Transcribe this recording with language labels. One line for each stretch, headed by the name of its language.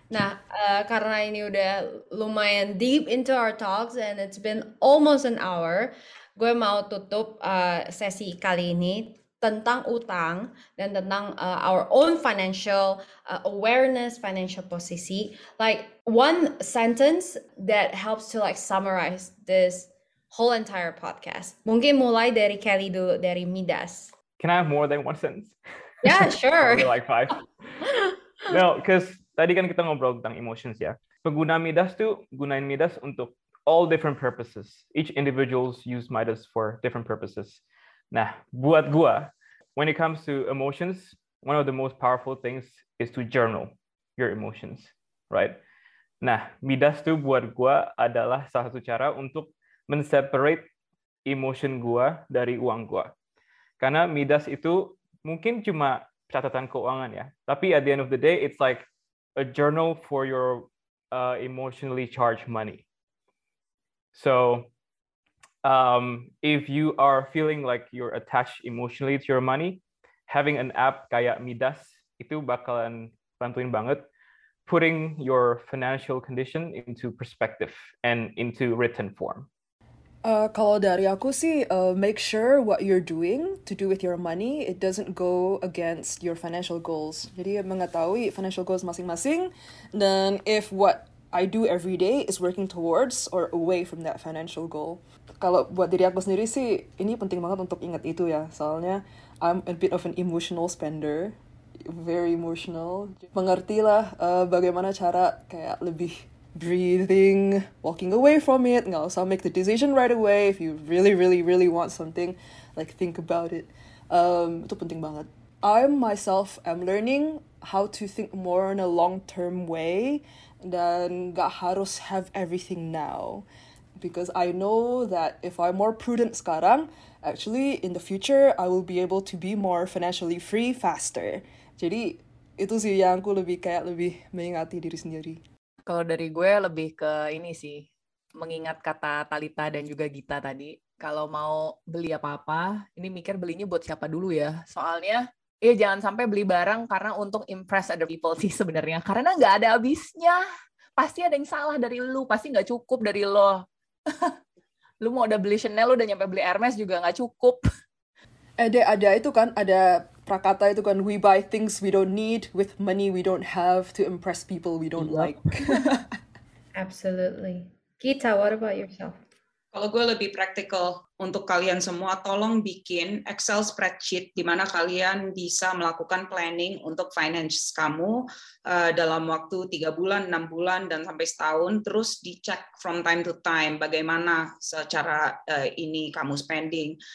Indonesian: Nah, karena ini udah lumayan
English: deep into our talks, and it's been almost an hour,
Indonesian: gue mau tutup sesi kali ini tentang utang dan tentang
English: our own financial awareness,
Indonesian: financial posisi.
English: Like, one sentence that helps to, like, summarize this whole entire podcast.
Indonesian: Mungkin mulai dari Kelly dulu, dari Midas.
English: Can I have more than one sentence? Yeah, sure. Probably like five. No, because
Indonesian: tadi kan kita ngobrol tentang emotions, ya. Pengguna Midas tuh gunain Midas untuk
English: all different purposes. Each individuals use Midas for different purposes.
Indonesian: Nah, buat gua,
English: when it comes to emotions, one of the most powerful things is to journal your emotions, right?
Indonesian: Nah, Midas tuh buat gue adalah salah satu cara untuk men-separate emotion gue dari uang gue. Karena Midas itu mungkin cuma catatan keuangan ya, tapi
English: at the end of the day, it's like a journal for your emotionally charged money. So, if you are feeling like you're attached emotionally to your money, having an app
Indonesian: kayak Midas itu bakalan bantuin banget
English: putting your financial condition into perspective and into written form.
Indonesian: Kalau dari aku sih,
English: make sure what you're doing to do with your money, it doesn't go against your financial goals.
Indonesian: Jadi mengetahui financial goals masing-masing,
English: then if what I do every day is working towards or away from that financial goal.
Indonesian: Kalau buat diri aku sendiri sih, ini penting banget untuk ingat itu ya, soalnya
English: I'm a bit of an emotional spender, very emotional.
Indonesian: Mengertilah bagaimana cara kayak lebih
English: breathing, walking away from it,
Indonesian: nggak usah
English: make the decision right away. If you really, really, really want something, like think about it.
Indonesian: Itu penting banget.
English: I myself am learning how to think more in a long-term way
Indonesian: dan gak harus
English: have everything now. Because I know that if I'm more prudent
Indonesian: sekarang,
English: actually in the future, I will be able to be more financially free faster.
Indonesian: Jadi itu sih yang aku lebih kayak lebih mengingati diri sendiri. Kalau dari gue lebih ke ini sih, mengingat kata Talita dan juga Gita tadi, kalau mau beli apa-apa, ini mikir belinya buat siapa dulu ya. Soalnya, ya jangan sampai beli barang karena untuk
English: impress other people
Indonesian: sih sebenarnya. Karena nggak ada habisnya. Pasti ada yang salah dari lu, pasti nggak cukup dari lo. Lu mau udah beli Chanel, lu udah nyampe beli Hermes juga nggak cukup. Ede, ada itu kan, ada prakata itu kan,
English: we buy things we don't need with money we don't have to impress people we don't like. Absolutely. Gita, what about yourself?
Indonesian: Kalau gue lebih praktikal, untuk kalian semua, tolong bikin Excel spreadsheet di mana kalian bisa melakukan planning untuk finance kamu dalam waktu 3 bulan, 6 bulan, dan sampai setahun, terus dicek
English: from time to time
Indonesian: bagaimana secara ini kamu spending.